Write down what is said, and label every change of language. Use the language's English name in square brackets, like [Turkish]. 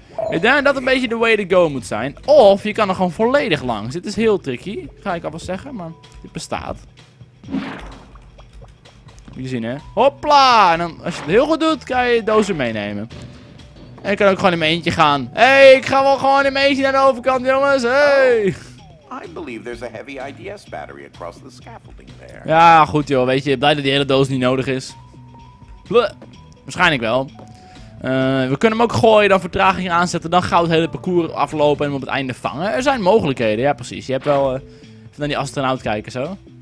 [Dutch] Ik denk dat een beetje de [English] way to go [Dutch] moet zijn. Of je kan er gewoon volledig langs. Dit is heel tricky. Ga ik alvast zeggen, maar dit bestaat. Moet je zien, hè? Hopla! En dan, als je het heel goed doet, kan je de doos er meenemen. En je kan ook gewoon in mijn eentje gaan. Hé, hey, ik ga wel gewoon in mijn eentje naar de overkant, jongens. Hey! Oh. [English] I believe there's a heavy IDS battery across the scaffolding there. [Dutch] Ja, goed joh, weet je, blij dat die hele doos niet nodig is. Bleh. Waarschijnlijk wel. We kunnen hem ook gooien, dan vertraging aanzetten, dan gaan we het hele parcours aflopen en hem op het einde vangen. Er zijn mogelijkheden, ja precies. Je hebt wel, even naar die astronaut kijken zo.